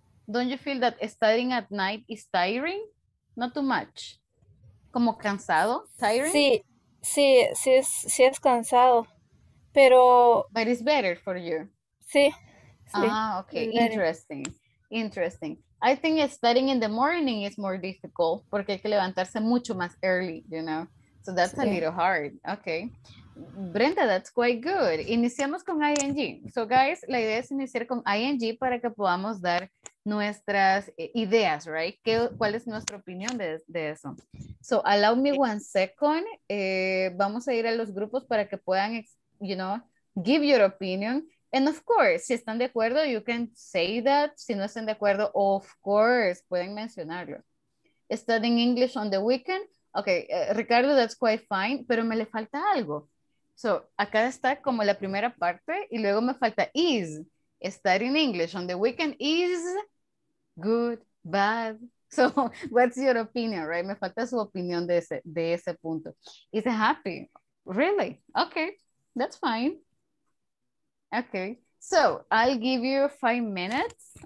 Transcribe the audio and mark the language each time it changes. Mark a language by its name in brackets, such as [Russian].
[English] Don't you feel that studying at night is tiring? Not too much. [Spanish] ¿Como cansado? [English] ¿Tiring? [Spanish] Sí, sí, sí es, sí es cansado, pero... [English] But it's better for you. [Spanish] Sí. [English] Ah, okay, interesting, interesting. I think studying in the morning is more difficult [Spanish] porque hay que levantarse mucho más [English] early, you know. So that's a little hard. Okay. Brenda, that's quite good. [Spanish] Iniciamos con ING. [English] So guys, [Spanish] la idea es iniciar con ING para que podamos dar nuestras ideas, [English] right? [Spanish] ¿Cuál es nuestra opinión de eso? [English] So allow me one second. [Spanish] Vamos a ir a los grupos para que puedan, [English] you know, give your opinion. And of course, [Spanish] si están de acuerdo, [English] you can say that. [Spanish] Si no están de acuerdo, [English] of course, [Spanish] pueden mencionarlo. [English] Studying English on the weekend. Okay, Ricardo, that's quite fine, [Spanish] pero me le falta algo. So, acá está como la primera parte y luego me falta [English] is. Studying English on the weekend is good, bad. So, what's your opinion, right? [Spanish] Me falta su opinión de ese punto. [English] Is it happy? Really? Okay, that's fine. Okay, so I'll give you 5 minutes.